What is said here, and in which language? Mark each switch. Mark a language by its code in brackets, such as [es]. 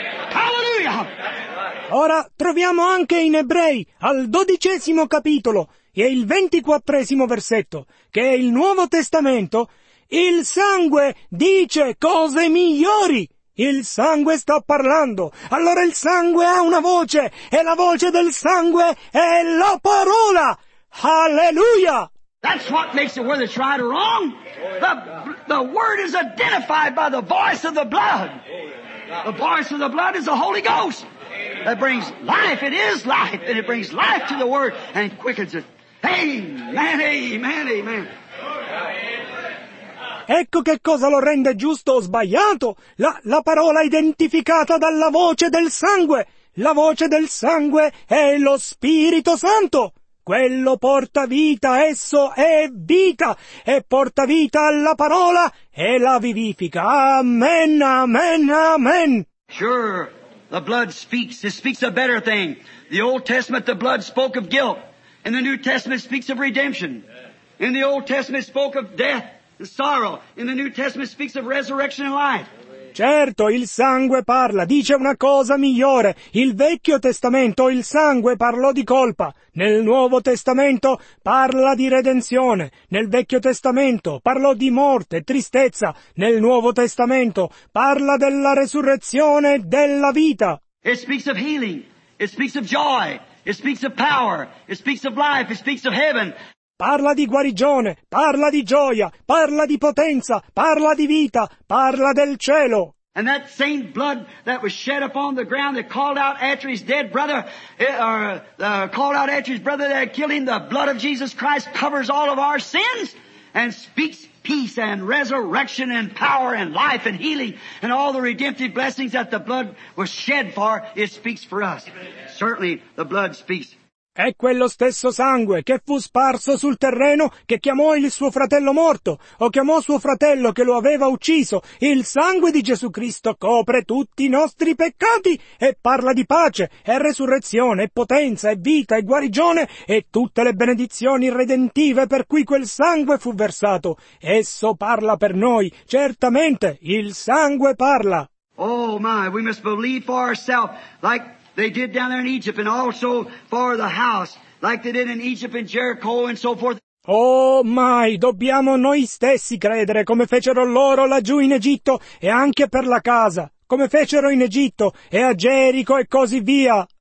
[it] Hallelujah! Ora troviamo anche in Ebrei, al 12° capitolo e il 24° versetto, che è il Nuovo Testamento, il sangue dice cose migliori. Il sangue sta parlando. Allora il sangue ha una voce, e la voce del sangue è la parola. Hallelujah! [en] That's what makes it whether it's right or wrong. The word is identified by the voice of the blood. The voice of the blood is the Holy Ghost. That brings life, it is life, and it brings life to the word and quickens it. Amen, amen, amen. [it] Ecco che cosa lo rende giusto o sbagliato. La parola identificata dalla voce del sangue. La voce del sangue è lo Spirito Santo. Quello porta vita, esso è vita, e porta vita alla parola e la vivifica. Amen, amen, amen. [en] Sure. The blood speaks. It speaks a better thing. The Old Testament, the blood spoke of guilt. In the New Testament, speaks of redemption. In the Old Testament, spoke of death and sorrow. In the New Testament, speaks of resurrection and life. [it] Certo, il sangue parla, dice una cosa migliore. Il Vecchio Testamento, il sangue parlò di colpa. Nel Nuovo Testamento, parla di redenzione. Nel Vecchio Testamento, parlò di morte, tristezza. Nel Nuovo Testamento, parla della resurrezione, della vita. [en] It speaks of healing. It speaks of joy. It speaks of power. It speaks of life. It speaks of heaven. [it] Parla di guarigione, parla di gioia, parla di potenza, parla di vita, parla del cielo. [en] And that same blood that was shed upon the ground that called out after his dead brother, called out after his brother that killed him, the blood of Jesus Christ covers all of our sins and speaks peace and resurrection and power and life and healing and all the redemptive blessings that the blood was shed for, it speaks for us. Certainly the blood speaks. [it] È quello stesso sangue che fu sparso sul terreno che chiamò il suo fratello morto o chiamò suo fratello che lo aveva ucciso. Il sangue di Gesù Cristo copre tutti i nostri peccati e parla di pace e resurrezione e potenza e vita e guarigione e tutte le benedizioni redentive per cui quel sangue fu versato. Esso parla per noi. Certamente, il sangue parla. [en] Oh my, we must believe for ourselves like they did down there in Egypt and also for the house, like they did in Egypt and Jericho and so forth. [it] Oh my, dobbiamo noi stessi credere come fecero loro laggiù in Egitto e anche per la casa, come fecero in Egitto e a Gerico e così via.